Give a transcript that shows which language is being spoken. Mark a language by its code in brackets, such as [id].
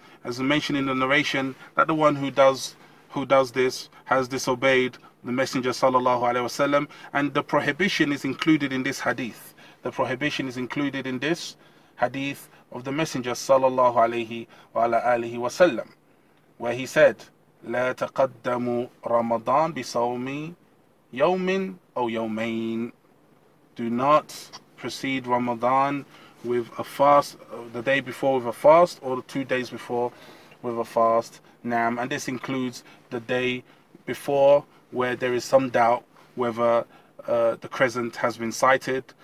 [en] As mentioned in the narration, that the one who does this has disobeyed the Messenger sallallahu alaihi wasallam. And the prohibition is included in this hadith. The prohibition is included in this hadith of the Messenger sallallahu alaihi wasallam, where he said, [ar] لا تقدم رمضان بصوم يوم أو يومين. [en] Do not proceed Ramadan with a fast, the day before with a fast, or 2 days before with a fast. Naam. And this includes the day before, where there is some doubt whether the crescent has been sighted.